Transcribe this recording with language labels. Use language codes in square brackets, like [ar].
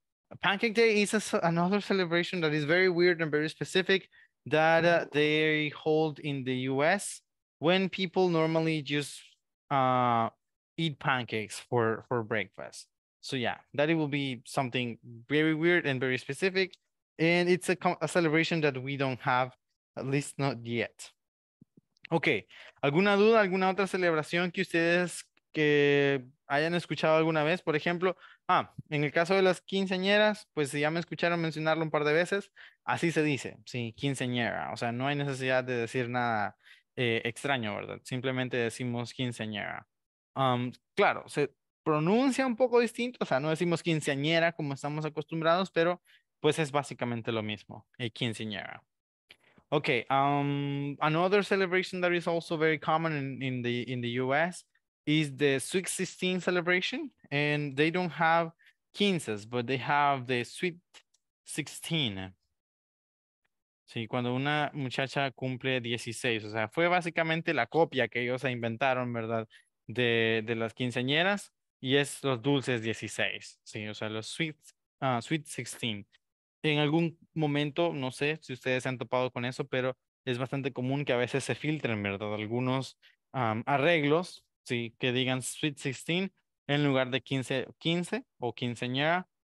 [en] A pancake day is another celebration that is very weird and very specific that they hold in the US when people normally just eat pancakes for breakfast. So yeah, that it will be something very weird and very specific. And it's a celebration that we don't have, at least not yet. [es] Okay, ¿alguna duda, alguna otra celebración que ustedes que hayan escuchado alguna vez? Por ejemplo, en el caso de las quinceañeras, pues si ya me escucharon mencionarlo un par de veces, así se dice, sí, quinceañera. O sea, no hay necesidad de decir nada extraño, ¿verdad? Simplemente decimos quinceañera. Claro, se pronuncia un poco distinto, o sea, no decimos quinceañera como estamos acostumbrados, pero pues es básicamente lo mismo, quinceañera. [en] Okay, another celebration that is also very common in the U.S., is the Sweet 16 celebration, and they don't have quinces, but they have the Sweet 16. [es] Sí, cuando una muchacha cumple 16, o sea, fue básicamente la copia que ellos se inventaron, ¿verdad?, de las quinceañeras, y es los dulces 16, sí, o sea, los Sweet 16. En algún momento, no sé si ustedes se han topado con eso, pero es bastante común que a veces se filtren, ¿verdad?, algunos arreglos, sí, que digan Sweet 16 en lugar de 15 o quinceañera.